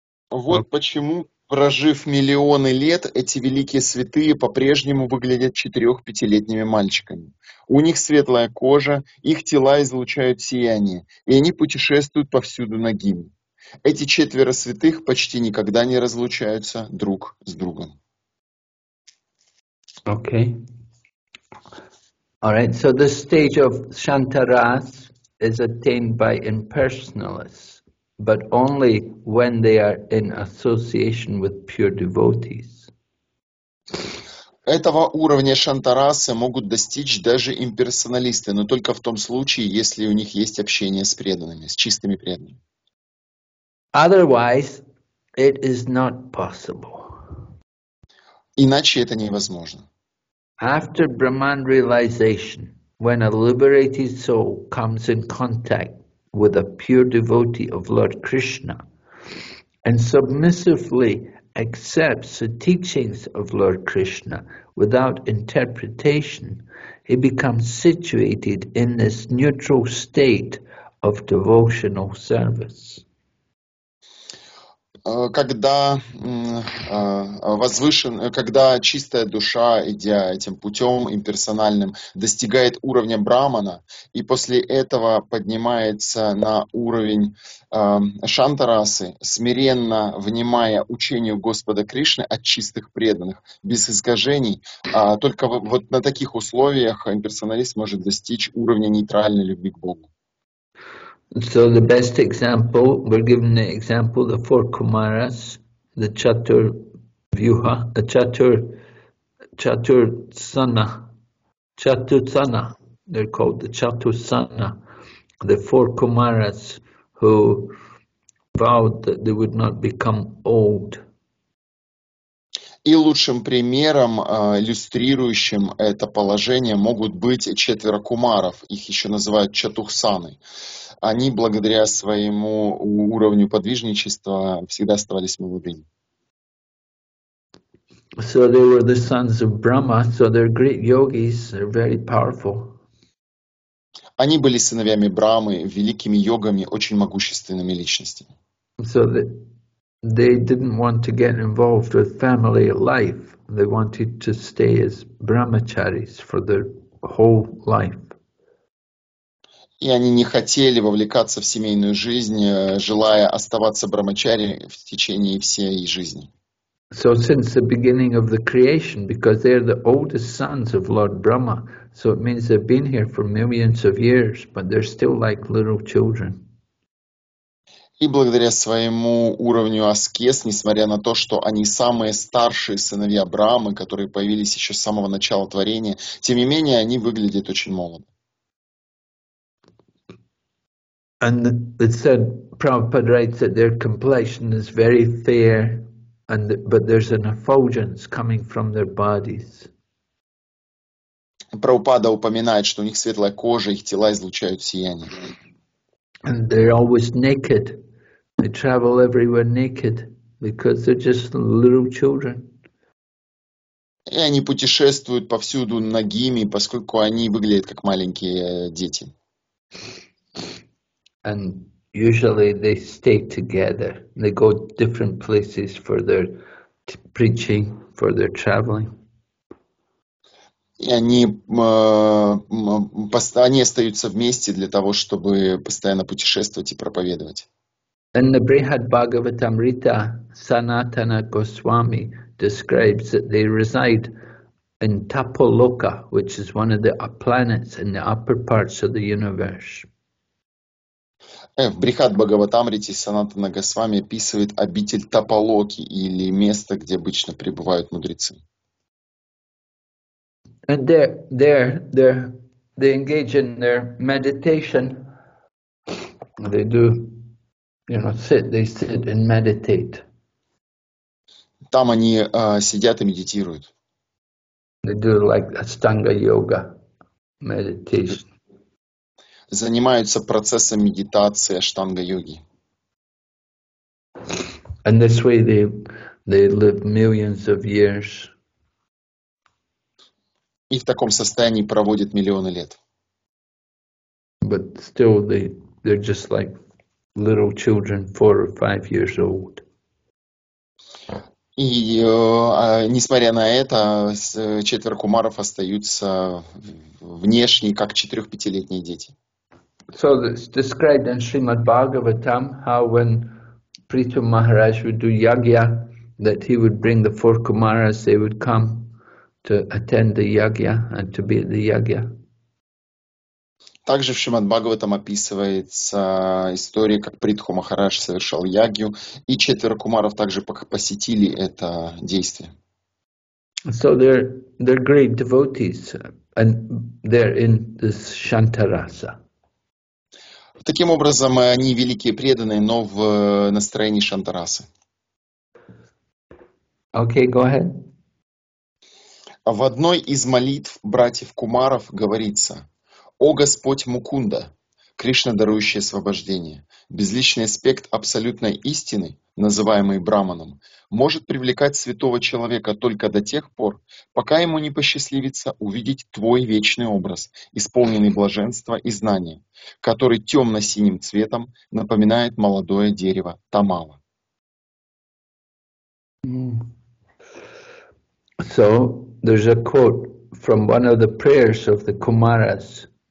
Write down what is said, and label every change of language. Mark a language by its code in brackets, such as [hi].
[ru] Вот почему, прожив миллионы лет, эти великие святые по-прежнему выглядят 4-5-летними мальчиками. У них светлая кожа, их тела излучают сияние, и они путешествуют повсюду нагими. Эти четверо святых почти никогда не разлучаются друг с другом. [en] Okay. All right, so the state of Shantaras is attained by impersonalists, but only when they are in association with pure devotees. [ru] Этого уровня Шантарасы могут достичь даже имперсоналисты, но только в том случае, если у них есть общение с преданными, с чистыми преданными. [en] Otherwise, it is not possible. [ru] Иначе это невозможно. [en] After Brahman realization, when a liberated soul comes in contact with a pure devotee of Lord Krishna and submissively accepts the teachings of Lord Krishna without interpretation, he becomes situated in this neutral state of devotional service. [ru] когда возвышен, когда чистая душа, идя этим путем имперсональным, достигает уровня брахмана и после этого поднимается на уровень шантарасы, смиренно внимая учению Господа Кришны от чистых преданных, без искажений, только вот на таких условиях имперсоналист может достичь уровня нейтральной любви к Богу. [en] So the best example, we're given the example of the four Kumaras, the Chaturvyuha, the Chatursana, they're called the Chatursana, the four Kumaras who vowed that they would not become old. [ru] И лучшим примером, иллюстрирующим это положение, могут быть четверо кумаров, их еще называют чатухсаны. Они, благодаря своему уровню подвижничества, всегда оставались молодыми. [en] So they were the sons of Brahma, so they're great yogis, they're very powerful. [ru] Они были сыновьями Брамы, великими йогами, очень могущественными личностями. [en] So they didn't want to get involved with family life. They wanted to stay as brahmacharis for their whole life. [ru] И они не хотели вовлекаться в семейную жизнь, желая оставаться брахмачари в течение всей жизни. [en] So since the beginning of the creation, because they are the oldest sons of Lord Brahma, so it means they've been here for millions of years, but they're still like little children. [ru] И благодаря своему уровню аскез, несмотря на то, что они самые старшие сыновья Брамы, которые появились еще с самого начала творения, тем не менее они выглядят очень молодо. [en] And it said, Prabhupada writes that their complexion is very fair, and but there's an effulgence coming from their bodies. [ru] Прабхупада упоминает, что у них светлая кожа, их тела излучают сияние. [en] And they're always naked. They travel everywhere naked because they're just little children. [ru] И они путешествуют повсюду нагими, поскольку они выглядят как маленькие дети. [en] And usually they stay together. They go to different places for their preaching, for their traveling. [ru] И они, они остаются вместе для того, чтобы постоянно путешествовать и проповедовать. [en] In the Brihad Bhagavatamrita, Sanatana Goswami describes that they reside in Tapoloka, which is one of the planets in the upper parts of the universe. [ru] В Брихад Бхагаватамрите Санатана Госвами описывает обитель Тапалоки или место, где обычно пребывают мудрецы. [en] And they engage in their meditation. They do. They sit and meditate. [ru] Там они сидят и медитируют. [en] They do like Ashtanga yoga meditation. [ru] Занимаются процессом медитации Ashtanga yogi. [en] And this way they live millions of years. [ru] И в таком состоянии проводят миллионы лет. [en] But still they're just like little children, 4 or 5 years old. [ru] И несмотря на это, четверо кумаров остаются внешне как 4-5-летние дети. [en] So it's described in Srimad Bhagavatam how when Prithu Maharaj would do yagya, that he would bring the four kumaras, they would come to attend the yagya and to be at the yagya. [ru] Также в Шримад Бхагаватам описывается история, как Притху Махарадж совершал ягью, и четверо кумаров также посетили это действие. [en] So they're great devotees, and they're in this Shantarasa. [ru] Таким образом, они великие преданные, но в настроении Шантарасы. [en] Okay, go ahead. [ru] В одной из молитв братьев кумаров говорится: «О Господь Мукунда, Кришна, дарующий освобождение, безличный аспект абсолютной истины, называемый Браманом, может привлекать святого человека только до тех пор, пока ему не посчастливится увидеть Твой вечный образ, исполненный блаженства и знания, который темно-синим цветом напоминает молодое дерево Тамала». [en] So there's a quote from one of the prayers of the Kumaras.